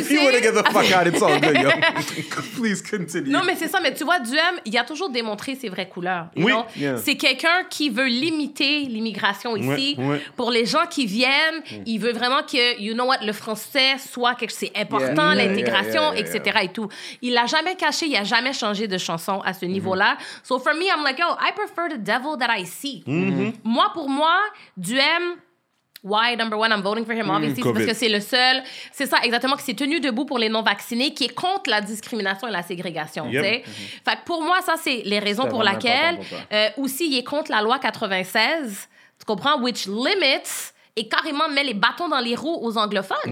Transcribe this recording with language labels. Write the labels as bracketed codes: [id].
[en] If you want to get the fuck out, it's all good, yo. Please continue. [fr] Non, mais c'est ça. Mais tu vois, Duhem, il a toujours démontré ses vraies couleurs. Oui. Yeah. C'est quelqu'un qui veut limiter l'immigration ici. Ouais, ouais. Pour les gens qui viennent, il veut vraiment que, [en] you know what, [fr] le français soit quelque chose. C'est important, l'intégration, etc. et tout. Il l'a jamais caché, il a jamais changé de chanson à ce niveau-là. [en] So for me, I'm like, yo, I prefer the devil that I see. [fr] Moi, pour moi, Duhem, [en] why number one, I'm voting for him, obviously, [fr] c'est parce que c'est le seul, c'est ça exactement, qui s'est tenu debout pour les non-vaccinés, qui est contre la discrimination et la ségrégation, tu sais. Fait que pour moi, ça, c'est les raisons pour laquelle, aussi, il est contre la loi 96, tu comprends, [en] which limits [fr] et carrément met les bâtons dans les roues aux anglophones.